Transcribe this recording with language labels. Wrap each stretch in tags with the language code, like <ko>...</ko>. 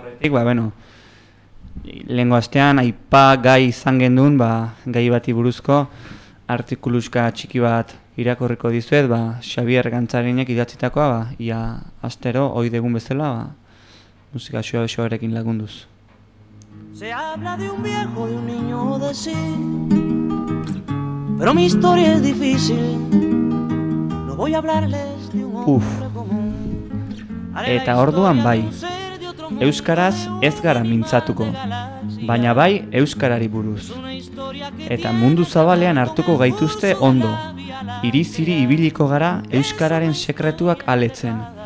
<eu>Ba, bueno, lehengo astean aipa gai izan genuen, ba, gai bati buruzko artikuluska txiki bat irakurriko dizuet, ba, Xabier Gantzarinek idatzitakoa, ba, ia astero ohi degun bezala, ba, musika xoarekin lagunduz.</eu> <es>Se habla de un viejo, de un niño, de sí, pero mi historia es difícil. No voy a hablarles de un hombre. Uf.</es> <eu>Eta orduan bai, euskaraz ez gara mintzatuko, baina bai euskarari buruz. Eta mundu zabalean hartuko gaituzte ondo. Iriziri ibiliko gara euskararen sekretuak aletzen.</eu>